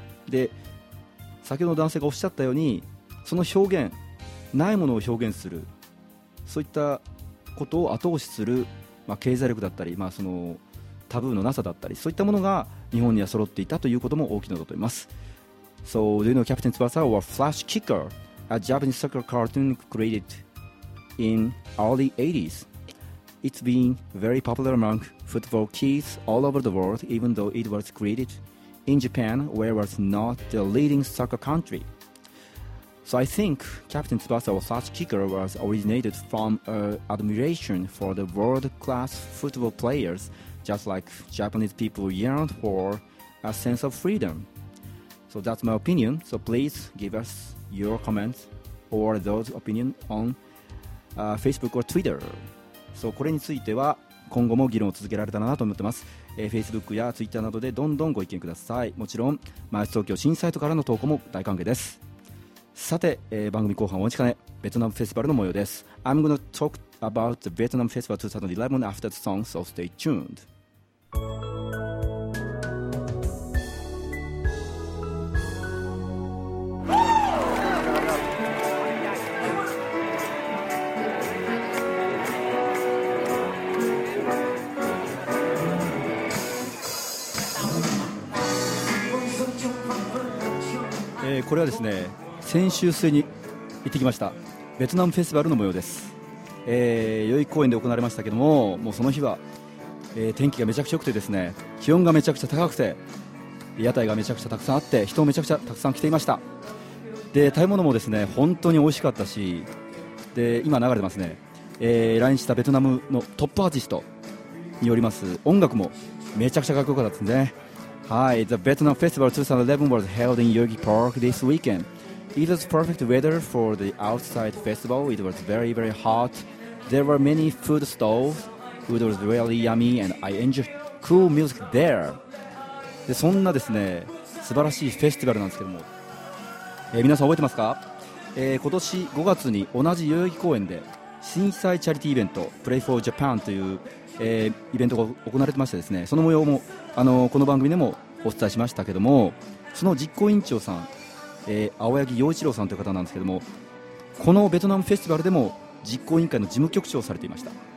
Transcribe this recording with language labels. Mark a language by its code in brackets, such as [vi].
[ja] で先ほどの男性がおっしゃったように、その表現、ないものを表現する、そういったことを後押しする、まあ、経済力だったり、まあ、そのタブーのなさだったり、そういったものが日本には揃っていたということも大きいのだと思います。 [en] So do you know Captain Tsubasa or Flash Kicker, a Japanese soccer cartoon createdIn early 80s, it's been very popular among football kids all over the world, even though it was created in Japan, where it was not the leading soccer country. So I think Captain Tsubasa or Flash Kicker was originated from admiration for the world-class football players, just like Japanese people yearned for a sense of freedom. So that's my opinion. So please give us your comments or those opinions onFacebook or Twitter。 [ja] そう、これについては今後も議論を続けられたらなと思ってます。 Facebook や Twitter などでどんどんご意見ください。もちろん毎日東京新サイトからの投稿も大歓迎です。さて、番組後半お待ちかね、ベトナムフェスティバルの模様です。 [en] I'm going to talk about the Vietnam Festival 2011 after the song, so stay tuned。 [ja] これはですね、先週末に行ってきましたベトナムフェスティバルの模様です。代々木公園で行われましたけども、もうその日は、天気がめちゃくちゃ良くてですね、気温がめちゃくちゃ高くて、屋台がめちゃくちゃたくさんあって、人もめちゃくちゃたくさん来ていました。で食べ物もですね、本当に美味しかったし、で今流れてますね、来日したベトナムのトップアーティストによります音楽もめちゃくちゃかっこよかったですね。 [en] Hi, the Vietnam Festival 2011 was held in Yogi Park this weekend. It was perfect weather for the outside festival. It was very, very hot. There were many food stalls. Food was really yummy, and I enjoyed cool music there. [ja] でそんなですね素晴らしいフェスティバルなんですけども、皆さん覚えてますか、今年5月に同じ代々木公園で震災チャリティーイベントプレイフォージャパンという、イベントが行われてましてですね、その模様も、この番組でもお伝えしましたけども、その実行委員長さん、青柳陽一郎さんという方なんですけども、このベトナムフェスティバルでも実行委員会の事務局長をされていました。